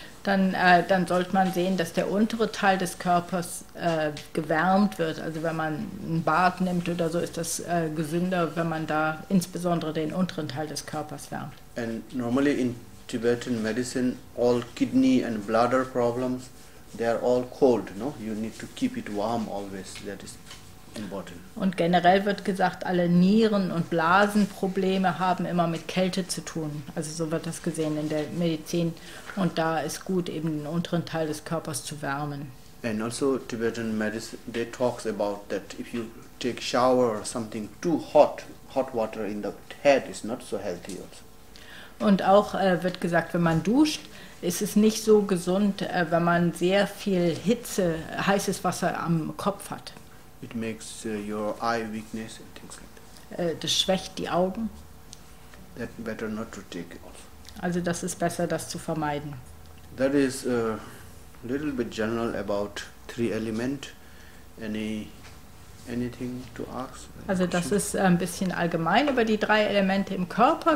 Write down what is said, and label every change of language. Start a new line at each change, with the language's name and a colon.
German: Dann sollte man sehen, dass der untere Teil des Körpers gewärmt wird. Also wenn man ein Bad nimmt oder so, ist das gesünder, wenn man da insbesondere den unteren Teil des Körpers wärmt.
English: And normally in Tibetan medicine, all kidney and bladder problems, they are all cold, no? You need to keep it warm always, that is important.
German: Und generell wird gesagt, alle Nieren- und Blasenprobleme haben immer mit Kälte zu tun. Also so wird das gesehen in der Medizin. Und da ist gut, eben den unteren Teil des Körpers zu wärmen.
English: And also Tibetan medicine, they talks about that if you take shower or something too hot, hot water in the head is not so healthy also.
German: Und auch wird gesagt, wenn man duscht, ist es nicht so gesund, wenn man sehr viel Hitze, heißes Wasser am Kopf hat.
English: It makes your eye weakness and things like that.
German: Das schwächt die Augen.
English: That better not to take it off.
German: Also das ist besser, das zu vermeiden.
English: That is a little bit general about three element. Anything to ask? Also question?
German: Das ist ein bisschen allgemein über die drei Elemente im Körper.